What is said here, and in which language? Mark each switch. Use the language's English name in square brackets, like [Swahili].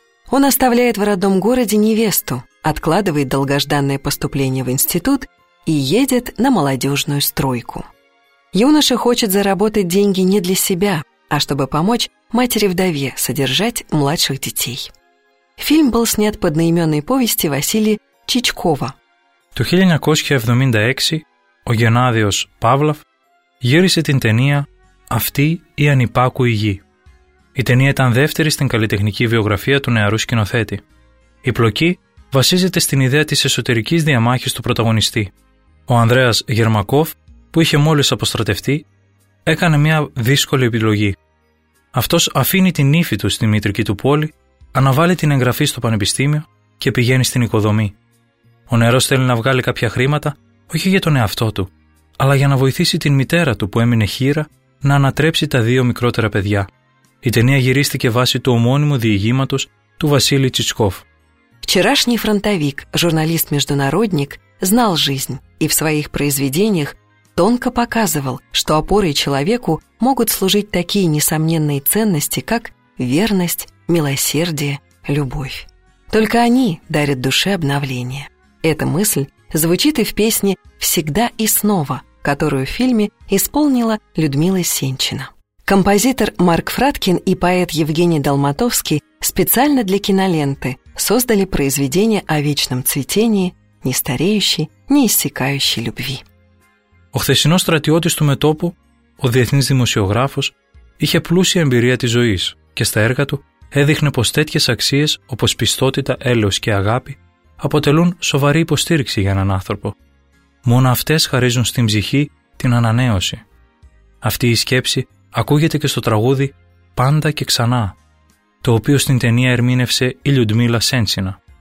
[Russian] Он оставляет в родном городе невесту, откладывает долгожданное поступление в институт и едет на молодежную стройку. Юноша хочет заработать деньги не для себя, а чтобы помочь матери-вдове содержать младших детей. Фильм был снят по одноименной повести Василия Чичкова. [Greek] Το 1976 ο Γενάδιος Παύλοφ γύρισε την ταινία «Αυτή η ανυπάκουη γη». Η ταινία ήταν δεύτερη στην καλλιτεχνική βιογραφία του νεαρού σκηνοθέτη. Η πλοκή βασίζεται στην ιδέα της εσωτερικής διαμάχης του πρωταγωνιστή. Ο Ανδρέας Γερμακόφ, που είχε μόλις αποστρατευτεί, έκανε μια δύσκολη επιλογή. Αυτός αφήνει την νύφη του στη μητρική του πόλη, αναβάλει την εγγραφή στο πανεπιστήμιο και πηγαίνει στην οικοδομή. Ο νεαρός θέλει να βγάλει κάποια χρήματα όχι για τον εαυτό του, αλλά για να βοηθήσει την μητέρα του που έμεινε χείρα να ανατρέψει τα δύο μικρότερα παιδιά. Η ταινία γυρίστηκε βάσει του ομώνυμου διηγήματος του Βασίλη Τσιτσκόφ. [Russian] Вчерашний фронтовик, журналист-международник, знал жизнь и в своих произведениях тонко показывал, что опорой человеку могут служить такие несомненные ценности, как верность, милосердие, любовь. Только они дарят душе обновление. Эта мысль звучит и в песне «Всегда и снова», которую в фильме исполнила Людмила Сенчина. Композитор Марк Фраткин и поэт Евгений Долматовский специально для киноленты создали произведение о вечном цветении, не стареющей, не иссякающей любви. [Greek] Ο χθεσινός στρατιώτης του μετόπου, ο διεθνής δημοσιογράφος, είχε πλούσια εμπειρία της ζωής και στα έργα του έδειχνε πως τέτοιες αξίες όπως πιστότητα, έλεος και αγάπη αποτελούν σοβαρή υποστήριξη για έναν άνθρωπο. Μόνο αυτές χαρίζουν στην ψυχή την ανανέωση. Αυτή η σκέψη ακούγεται και στο τραγούδι «Πάντα και ξανά», το οποίο στην ταινία ερμήνευσε η Λιουντμίλα Σέντσινα.